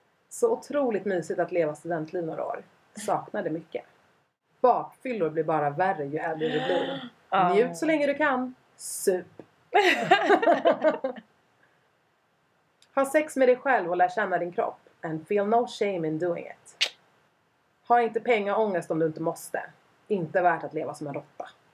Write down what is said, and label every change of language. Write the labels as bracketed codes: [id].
[sv] Så otroligt mysigt att leva studentliv några år. Saknade mycket. Bakfyllor blir bara värre ju äldre du blir. Njut så länge du kan. Sup. Ha sex med dig själv och lär känna din kropp. [en] And feel no shame in doing it. [sv] Ha inte pengar och ångest om du inte måste. Inte värt att leva som en råtta.